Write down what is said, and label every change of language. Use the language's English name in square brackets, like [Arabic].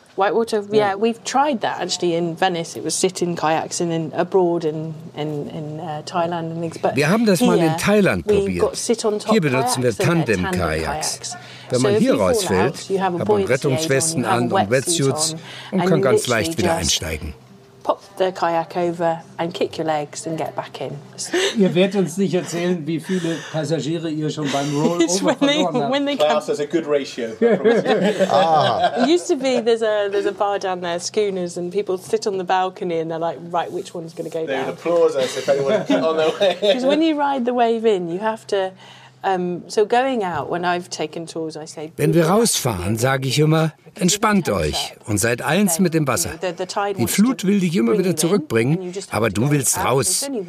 [English] Whitewater, yeah, we've tried that actually in Venice. It was sit-in kayaks and then abroad in Thailand and things. [German] But wir haben das mal in Thailand probiert. Hier benutzen wir Tandem-Kayaks. Wenn man hier rausfällt, hat man Rettungswesten an und Wetsuits und kann ganz leicht wieder einsteigen. [English] Pop the kayak over and kick your legs and get back in. [German] Ihr werdet uns nicht erzählen, wie viele Passagiere ihr schon beim Rollover verloren habt. [English] Klaus has a good ratio. It used to be there's a bar down there, schooners, and people sit on the balcony and they're like, right, which one's going to go down? They would applaud us if anyone on their way. Because when you ride the wave in, you have to So going out, when I've taken tours, I say, [German] wenn wir rausfahren, sage ich immer, entspannt euch und seid eins mit dem Wasser. Die Flut will dich immer wieder zurückbringen, aber du willst raus.